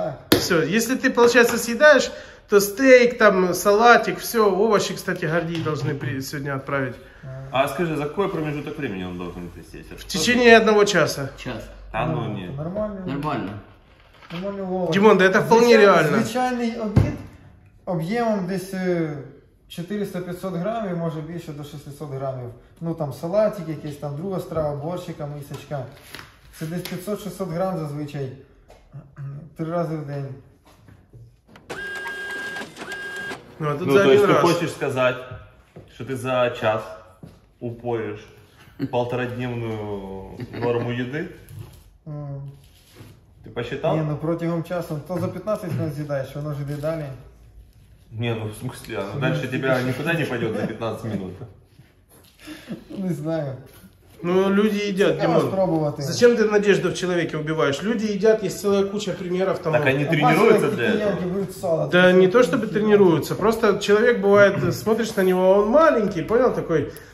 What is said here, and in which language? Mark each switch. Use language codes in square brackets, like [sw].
[ru] Все, если ты, получается, съедаешь, то стейк, там, салатик, все, овощи, кстати, Гордей должны сегодня отправить. А скажи, за какой промежуток времени он должен присесть? В течение одного часа. Час. А ну нет. Нормально. Нормально. Нормально, Вова. Димон, да это вполне реально. [uk] Звичайный обед объемом десь 400-500 грамів, може більше до 600 грамів. Ну там салатик якийсь, там друга страва, борщика, місячка. Це десь 500-600 грам зазвичай, три рази в день. Ну, а тут ну, за один раз. Ну, то есть ти хочеш сказати, що ти за час упоїш полторадневну норму їди? Ти посчитав? Ні, ну протягом часу, то за 15 не з'їдаєш, воно ж йде далі. [ru] Не, ну в смысле, а дальше тебя никуда не пойдет на 15 минут. Не знаю. Ну люди едят, Димон. Зачем ты надежду в человеке убиваешь? Люди едят, есть целая куча примеров там. Так они тренируются для этого? Да не то чтобы тренируются, просто человек бывает, смотришь на него, а он маленький, понял, такой.